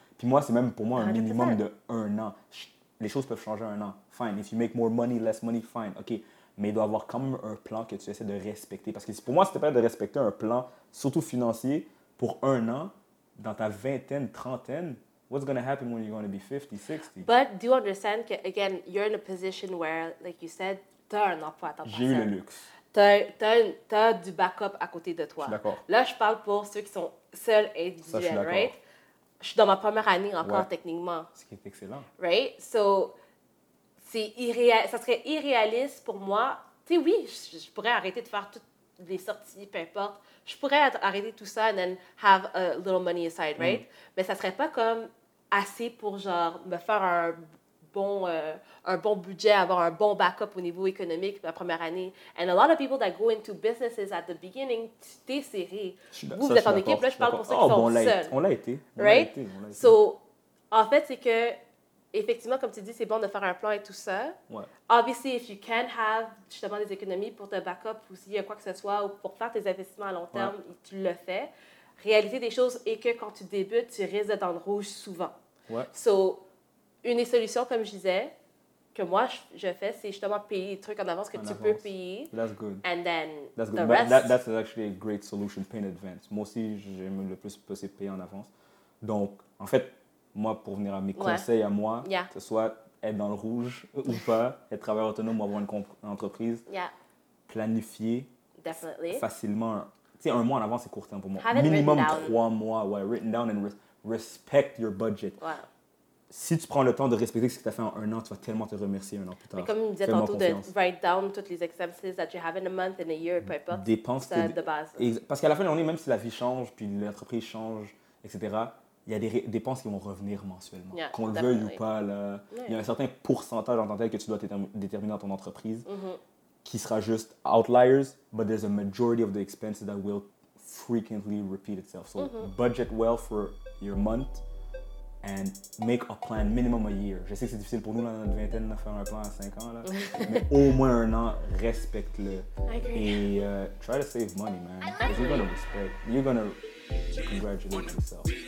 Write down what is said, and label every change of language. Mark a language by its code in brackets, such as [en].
[fr] Puis moi, c'est même pour moi un 100%. Minimum de un an. Les choses peuvent changer un an. [en] Fine, if you make more money, less money, fine, OK. [fr] Mais il doit avoir quand même un plan que tu essaies de respecter. Parce que pour moi, c'était pas de respecter un plan, surtout financier, pour un an, dans ta vingtaine, trentaine. [en] What's going to happen when you're going to be 50, 60? But do you understand that, again, you're in a position where, like you said, [fr] t'as un emploi à temps partiel. J'ai eu le luxe. T'as du backup à côté de toi. Je suis d'accord. Là, je parle pour ceux qui sont seuls et individuels, right? Ça, je suis d'accord. [en] Right? [fr] Je suis dans ma première année encore, techniquement. Ce qui est excellent. [en] Right? So... [fr] ça serait irréaliste pour moi. Tu sais, oui, je pourrais arrêter de faire toutes les sorties, peu importe. Je pourrais arrêter tout ça [en] and then have a little money aside, right? [fr] Mais ça serait pas comme assez pour, genre, me faire un bon budget, avoir un bon backup au niveau économique ma première année. [en] And a lot of people that go into businesses at the beginning, [fr] tu t'es serré. Vous êtes en équipe, là, je parle pour ceux qui sont seuls. On l'a été. [en] Right? [fr] So, en fait, c'est que effectivement, comme tu dis, c'est bon de faire un plan et tout ça. Ouais. [en] Obviously, if you can have [fr] justement des économies pour te backup ou s'il y a quoi que ce soit ou pour faire tes investissements à long terme, tu le fais. Réaliser des choses est que quand tu débutes, tu risques d'être dans le rouge souvent. Ouais. So, une des solutions, comme je disais, que moi, je fais, c'est justement payer les trucs en avance que en tu avance. Peux payer. [en] That's good. And then that's good. The rest... That's actually a great solution, pay in advance. [fr] Moi aussi, j'aime le plus possible payer en avance. Donc, en fait... Moi, pour venir à mes conseils à moi, que ce soit être dans le rouge ou pas, être travailleur autonome ou avoir une entreprise, planifier facilement. Tu sais, un mois en avance, c'est court terme pour moi. [en] Have [fr] minimum trois mois. Ouais, [en] written down and respect your budget. [fr] Ouais. Si tu prends le temps de respecter ce que tu as fait en un an, tu vas tellement te remercier un an plus tard. Mais comme tu disais tantôt, confiance. [en] De write down [fr] toutes les [en] expenses that you have in a month, in a year, [fr] peu importe. Dépense c'est de base. Et parce qu'à la fin de l'année, même si la vie change, puis l'entreprise change, etc., il y a des dépenses qui vont revenir mensuellement. [en] Yeah, [fr] qu'on le veuille ou pas, là, il y a un certain pourcentage en tant que tu dois déterminer dans ton entreprise qui sera juste outliers, [en] but there's a majority of the expenses that will frequently repeat itself. So budget well for your month and make a plan minimum a year. [fr] Je sais que c'est difficile pour nous dans notre vingtaine de faire un plan à 5 ans là, mais au moins un an, respecte-le. [en] Et try to save money, man. Because you're gonna respect, you're gonna congratulate yourself.